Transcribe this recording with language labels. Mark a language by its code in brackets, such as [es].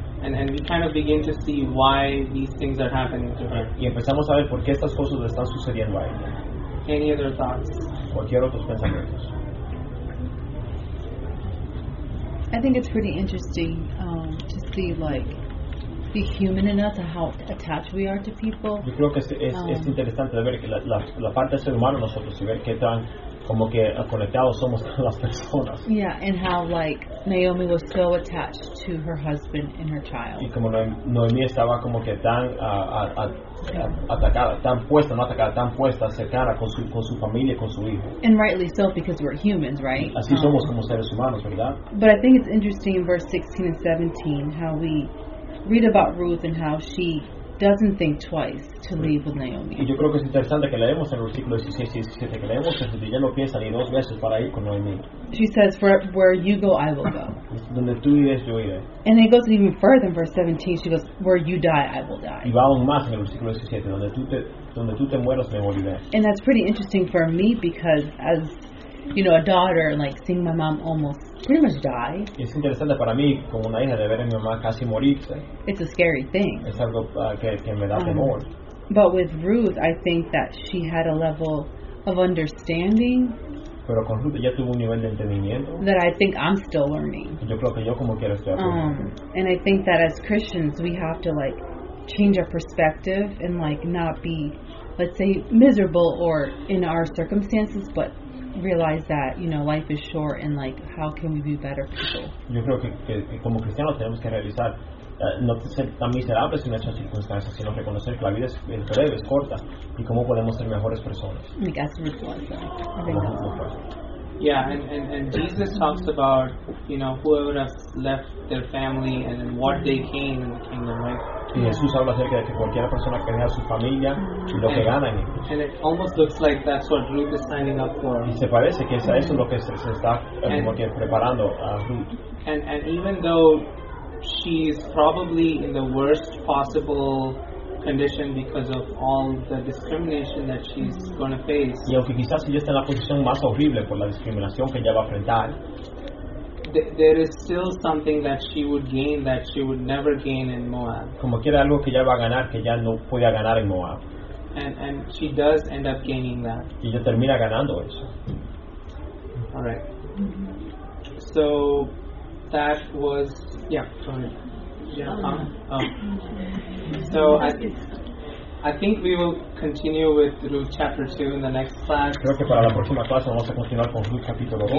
[en] And we kind of begin to see why these things are happening to her. [es] Y empezamos a ver por qué estas cosas le están sucediendo a ella. [en] Any other thoughts? [es] Cualquier otro pensamiento. [en] I think it's pretty interesting to see like be human enough to how attached we are to people. [es] Yo creo que es interesante ver que la parte del ser humano nosotros y ver qué tan como que conectados somos a las personas. [en] Yeah, and how like Naomi was so attached to her husband and her child. [es] Y como Noemi estaba como que tan puesta, cercana con su familia, con su hijo. [en] And rightly so, because we're humans, right? [es] Así somos como seres humanos, ¿verdad? [en] But I think it's interesting in verse 16 and 17 how we read about Ruth and how she doesn't think twice to leave with Naomi. [es] Y yo creo que es interesante que leemos en el versículo 16-17 que leemos que ella no piensa ni dos veces para ir con Naomi. [en] She says, "For where you go, I will go." [es] Donde tú ires, yo iré. [en] And it goes even further in verse 17. She goes, "Where you die, I will die." [es] Y va aún más en el versículo 17, donde tú te mueras, me moriré. [en] And that's pretty interesting for me because as you know, a daughter, like seeing my mom almost pretty much die. [es] Es interesante para mí como una hija de ver a mi mamá casi morirse. [en] It's a scary thing. [es] Es algo que me da temor. [en] But with Ruth, I think that she had a level of understanding. [es] Pero con Ruth ya tuvo un nivel de entendimiento. [en] That I think I'm still learning. [es] Yo creo que yo como quiero estoy aprendiendo. [en] And I think that as Christians we have to like change our perspective and like not be, let's say, miserable or in our circumstances, but realize that, you know, life is short and like how can we be better people. [es] Yo creo que como cristianos tenemos que realizar no ser tan miserables en nuestras circunstancias, sino reconocer que la vida es breve, es corta, y cómo podemos ser mejores personas. [en] I guess it was, I think that's yeah, and Jesus talks about, you know, whoever has left their family and what they gain in the kingdom, right? [es] Y Jesús habla acerca de que cualquier persona que deja su familia y lo que gana en él. [en] And it almost looks like that's what Ruth is signing up for. [es] Y se parece que es a eso lo que se está como que preparando a Ruth. [en] And even though she's probably in the worst possible condition because of all the discrimination that she's going to face. [es] Y aunque quizás ella está en la posición más horrible por la discriminación que ella va a enfrentar, [en] there is still something that she would gain that she would never gain in Moab. [es] Como quiera algo que ella va a ganar que ella no podía ganar en Moab. [en] And she does end up gaining that. [es] Y ella termina ganando eso. [en] All right. So that was, yeah, sorry. Yeah. So I think we will continue with Ruth chapter 2 in the next class. [es] Creo que para la próxima clase vamos a continuar con Ruth capítulo 2.